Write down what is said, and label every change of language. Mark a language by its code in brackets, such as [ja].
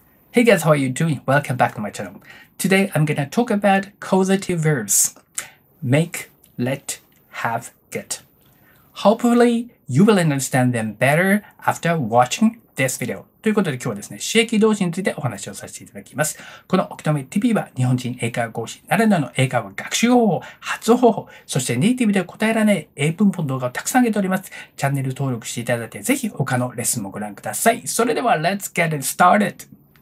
[en] Hey guys, how are you doing? Welcome back to my channel. Today, I'm going to talk about causative verbs. Make, let, have, get. Hopefully, you will understand them better after watching this video. [ja] ということで今日はですね、詞役動詞についてお話をさせていただきます。この Octomi TV は日本人英会話講師ならではの英会話学習方法、発音方法、そしてネイティブで答えられない英文法の動画をたくさん上げております。チャンネル登録していただいて、ぜひ他のレッスンもご覧ください。それでは、 [en] Let's get it started!